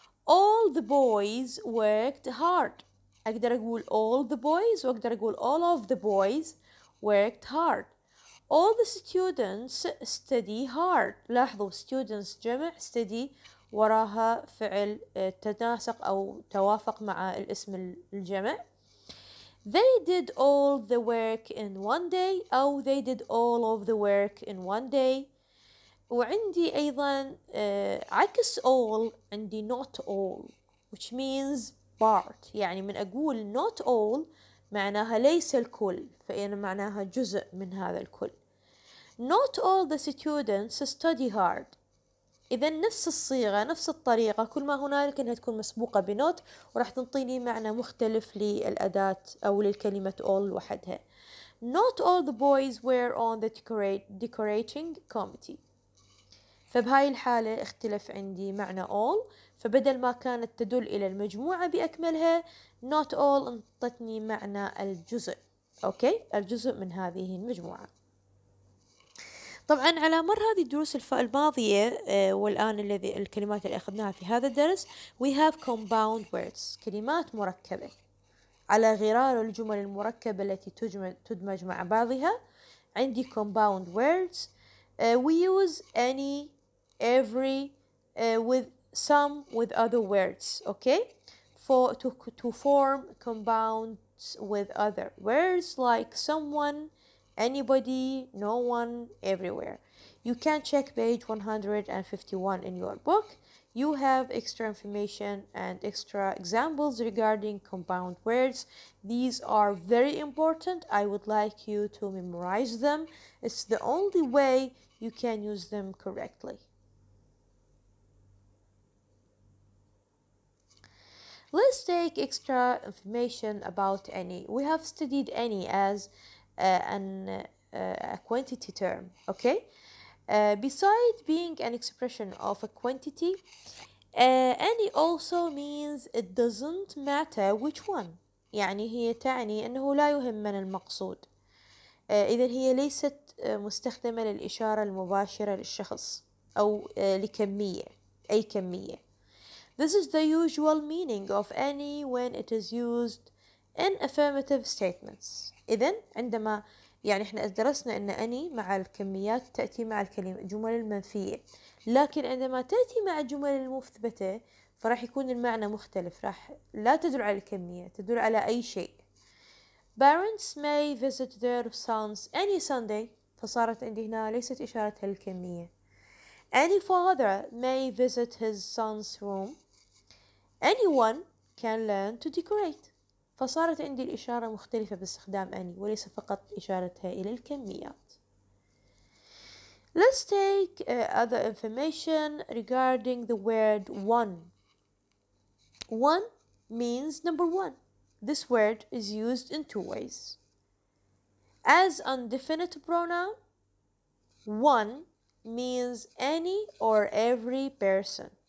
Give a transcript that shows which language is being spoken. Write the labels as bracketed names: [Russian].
[English] All the boys worked hard. [Arabic] أقدر أقول [English] all the boys [Arabic] وأقدر أقول [English] all of the boys worked hard. All the students study hard. [Arabic] لاحظوا [English] students [Arabic] جمع, [English] study [Arabic] وراها فعل تناسق أو توافق مع الاسم الجمع. [English] They did all the work in one day [Arabic] أو [English] they did all of the work in one day. [Arabic] وعندي أيضا عكس [English] all [Arabic] عندي [English] not all which means part. [Arabic] يعني من أقول [English] not all [Arabic] معناها ليس الكل، فإن معناها جزء من هذا الكل. [English] Not all the students study hard. [Arabic] إذا نفس الصيغة نفس الطريقة، كل ما هنالك أنها تكون مسبوقة بنوت وراح تنطيني معنى مختلف للأداة أو للكلمة all وحدها. [English] Not all the boys were on the decorating committee. [Arabic] فبهاي الحالة اختلف عندي معنى all، فبدل ما كانت تدل إلى المجموعة بأكملها [English] not all [Arabic] انطتني معنى الجزء، أوكي؟ الجزء من هذه المجموعة. طبعا على مر هذه الدروس الماضية والآن الذي الكلمات اللي أخذناها في هذا الدرس [English] we have compound words، [Arabic] كلمات مركبة على غرار الجمل المركبة التي تدمج مع بعضها. عندي [English] compound words we use any every with some with other words, okay, to form compounds with other words like someone, anybody, no one, everywhere. You can check page 151 in your book. You have extra information and extra examples regarding compound words. These are very important. I would like you to memorize them. It's the only way you can use them correctly. Let's take extra information about any. We have studied any as a quantity term, okay? Besides being an expression of a quantity, any also means it doesn't matter which one. [Arabic] يعني هي تعني أنه لا يهم من المقصود. إذن هي ليست مستخدمة للإشارة المباشرة للشخص أو لكمية، أي كمية. [English] This is the usual meaning of any when it is used in affirmative statements. [Arabic] إذن عندما يعني إحنا درسنا أن [English] any [Arabic] مع الكميات تأتي مع الكلمة جمل المنفية، لكن عندما تأتي مع الجمل المثبتة فراح يكون المعنى مختلف، راح لا تدل على الكمية، تدل على أي شيء. [English] Parents may visit their sons any Sunday. فصارت عندي هنا ليست إشارة الكمية. Any father may visit his son's room. Anyone can learn to decorate. [Arabic] فصارت عندي الإشارة مختلفة باستخدام any وليس فقط إشارتها إلى الكميات. [English] Let's take other information regarding the word one. One means number one. This word is used in two ways. As an indefinite pronoun, one means any or every person.